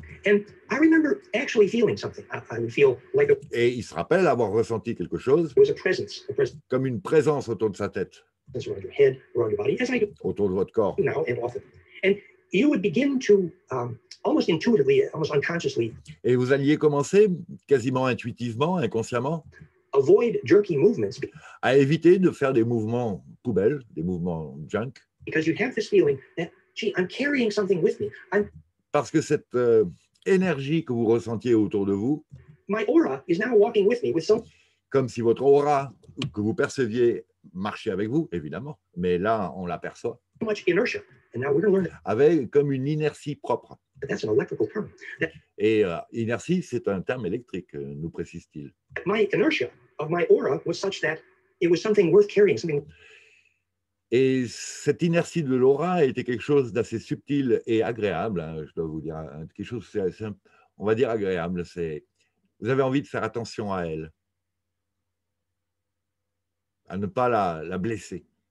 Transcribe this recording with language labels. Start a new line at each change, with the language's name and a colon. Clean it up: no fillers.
English: And I remember actually feeling something. I would feel like a...
French: Et il se rappelle avoir ressenti quelque chose.
English: It was a presence.
French: Comme une présence autour de sa tête.
English: As around your head, around your body, as I do.
French: Autour de votre corps.
English: Now and often. And you would begin to almost intuitively, almost unconsciously.
French: Et vous alliez commencer quasiment intuitivement, inconsciemment.
English: Avoid jerky movements.
French: À éviter de faire des mouvements poubelles, des mouvements junk.
English: Because you have this feeling that, gee, I'm carrying something with me.
French: Parce que cette énergie que vous ressentiez autour de vous,
English: my aura is now walking with me with some...
French: comme si votre aura que vous perceviez marchait avec vous, évidemment, mais là, on l'aperçoit,
English: much inertia. And now we're gonna learn that.
French: Avec comme une inertie propre.
English: But that's an electrical term. That...
French: Et inertie, c'est un terme électrique, nous précise-t-il.
English: My inertia of my aura was such that it was something worth carrying, something...
French: Et cette inertie de l'aura était quelque chose d'assez subtil et agréable, hein, je dois vous dire, quelque chose, on va dire agréable, c'est, vous avez envie de faire attention à elle, à ne pas la blesser.